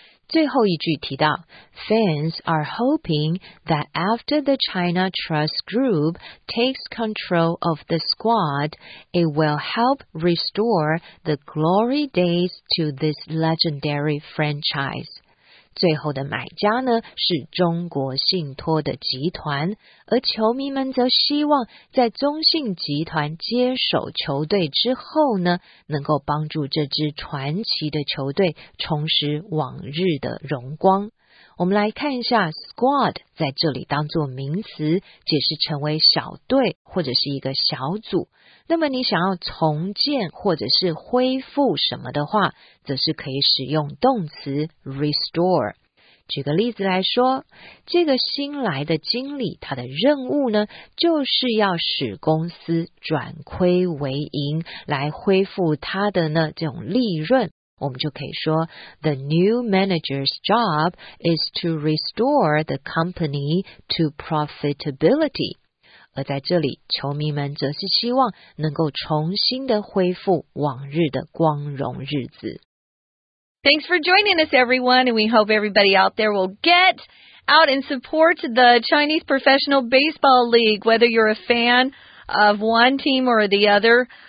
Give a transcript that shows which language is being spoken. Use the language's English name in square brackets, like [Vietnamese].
[Chinese] 最后一句提到 [English] ,Fans are hoping that after the China Trust Group takes control of the squad, it will help restore the glory days to this legendary franchise. [Chinese] 最后的买家呢是中国信托的集团，而球迷们则希望在中信集团接手球队之后呢，能够帮助这支传奇的球队重拾往日的荣光。我们来看一下 squad 在这里当作名词，解释成为小队或者是一个小组。那么你想要重建或者是恢复什么的话，则是可以使用动词 restore。举个例子来说，这个新来的经理，他的任务呢，就是要使公司转亏为盈，来恢复他的呢这种利润。我们就可以说 [English] ,The new manager's job is to restore the company to profitability. [Chinese] 而在这里球迷们则是希望能够重新的恢复往日的光荣日子。 [English] Thanks for joining us everyone, and we hope everybody out there will get out and support the Chinese Professional Baseball League, whether you're a fan of one team or the other.